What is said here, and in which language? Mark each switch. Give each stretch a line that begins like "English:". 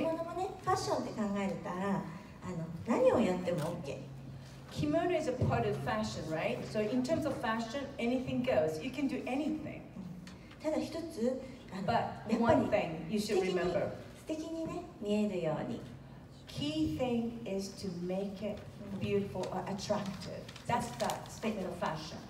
Japanese: 着物もね、ファッションって考えたら、何をやっても OK。
English: Kimono is a part of fashion, right? So in terms of fashion, anything goes. You can do anything.
Japanese: ただ一つ、
English: But one thing you should remember.
Japanese: 素敵にね、見えるように。
English: Key thing is to make it beautiful or attractive. That's the spirit of fashion.